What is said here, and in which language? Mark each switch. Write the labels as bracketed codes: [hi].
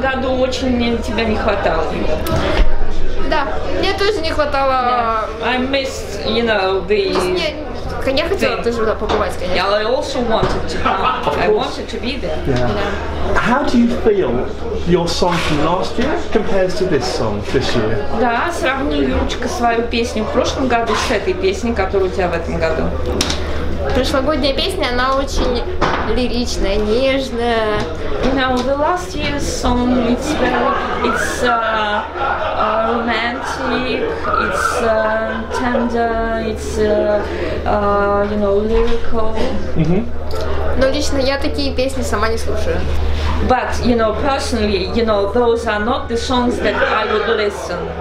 [ru] Году очень мне тебя не хватало. Да, мне тоже не хватало. [en] Yeah. I missed, you know, the. [ru] Я хотела тоже туда побывать, конечно. [en] Yeah, I also wanted to come. I wanted to be there. Yeah. How do you feel your song from last year compares to this song this year? [ru] Да, сравни, Юрочка, свою песню в прошлом году с этой песней, которую у тебя в этом году. Прошлогодняя песня, она очень лиричная, нежная. [en] You know, the last year's song, it's very, it's romantic, it's tender, it's, you know, lyrical. [ru] Но лично я такие песни сама не слушаю. [en] But, you know, personally, you know, those are not the songs that I would listen.